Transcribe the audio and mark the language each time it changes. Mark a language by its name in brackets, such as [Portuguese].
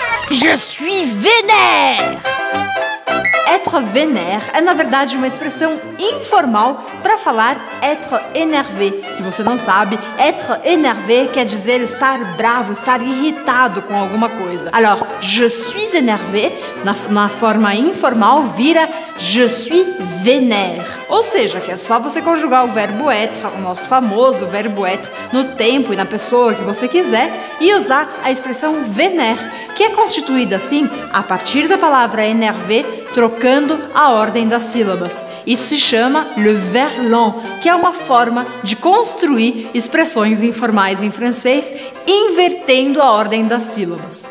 [French] Je suis vénère! Être vénère [Portuguese] é, na verdade, uma expressão informal para falar [French] être énervé. [Portuguese] Se você não sabe, [French] être énervé [Portuguese] quer dizer estar bravo, estar irritado com alguma coisa. [French] Alors, je suis énervé, [Portuguese] na forma informal, vira [French] je suis vénère. [Portuguese] Ou seja, que é só você conjugar o verbo être, o nosso famoso verbo être, no tempo e na pessoa que você quiser, e usar a expressão vénère, que é constituída assim a partir da palavra énervé, trocando a ordem das sílabas. Isso se chama le verlan, que é uma forma de construir expressões informais em francês, invertendo a ordem das sílabas.